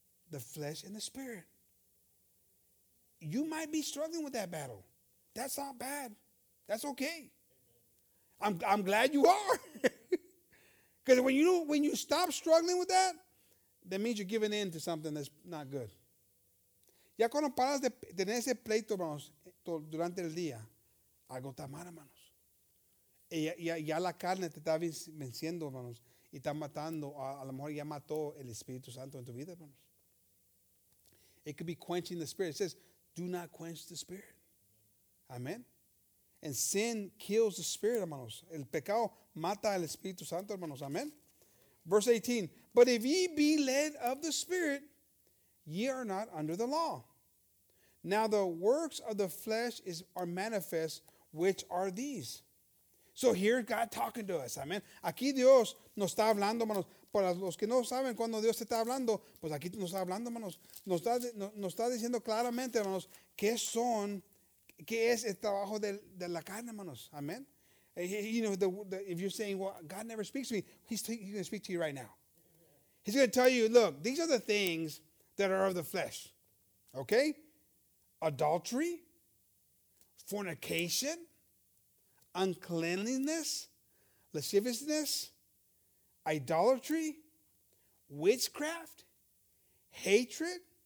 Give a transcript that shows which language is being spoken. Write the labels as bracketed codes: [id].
[en] The flesh and the spirit. You might be struggling with that battle. That's not bad. That's okay. I'm glad you are. Because when you stop struggling with that, that means you're giving in to something that's not good. [es] Ya cuando paras de tener ese pleito, hermanos, durante el día, algo está mal, hermanos. Ya la carne te está venciendo, hermanos, y está matando. A lo mejor ya mató el Espíritu Santo en tu vida, hermanos. [en] It could be quenching the Spirit. It says, do not quench the Spirit. Amen. And sin kills the Spirit, hermanos. [es] El pecado mata al Espíritu Santo, hermanos. [en] Amen. Verse 18. But if ye be led of the Spirit, ye are not under the law. Now the works of the flesh are manifest, which are these. So here God talking to us. Amen. [es] Aquí Dios nos está hablando, hermanos. Para los que no saben cuando Dios te está hablando, pues aquí nos está hablando, hermanos. Nos está diciendo claramente, hermanos, qué es el trabajo de la carne, hermanos. Amen. [en] You know, if you're saying, well, God never speaks to me, he's going to speak to you right now. He's going to tell you, look, these are the things that are of the flesh. Okay? Adultery, fornication, uncleanliness, lasciviousness, idolatry, witchcraft, hatred,